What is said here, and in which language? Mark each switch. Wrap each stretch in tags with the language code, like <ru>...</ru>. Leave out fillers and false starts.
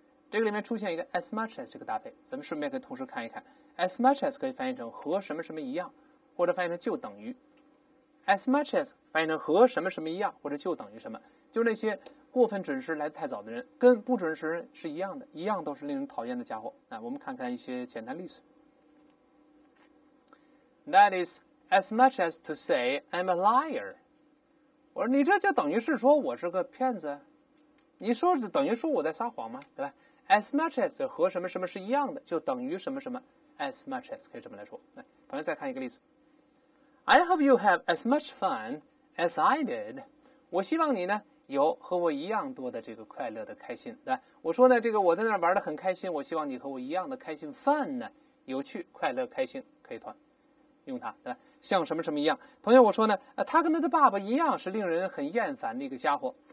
<zh>这个里面出现一个</zh> <en>as much as</en> <zh>这个搭配，咱们顺便跟同事看一看， as much as 可以翻译成和什么什么一样，或者翻译成就等于。</zh> <en>As much as</en> <zh>翻译成和什么什么一样，或者就等于什么，就那些过分准时来得太早的人，跟不准时人是一样的，一样都是令人讨厌的家伙。那我们看看一些简单例子。</zh> <en>That is as much as to say I'm a liar.</en> <zh>我说你这就等于是说我是个骗子，你说是等于说我在撒谎吗？对吧 ？</zh> <en>As much as</en> <zh>和什么什么是一样的，就等于什么什么。</zh> <en>As much as</en> <zh>可以这么来说。来，朋友再看一个例子。</zh> <en>I hope you have as much fun as I did.</en> <zh>我希望你呢有和我一样多的这个快乐的开心。对，我说呢，这个我在那儿玩得很开心，我希望你和我一样的开心。 fun 呢，有趣、快乐、开心，可以用它，对，像什么什么一样。同样我说呢，他跟他的爸爸一样是令人很厌烦的一个家伙。</zh>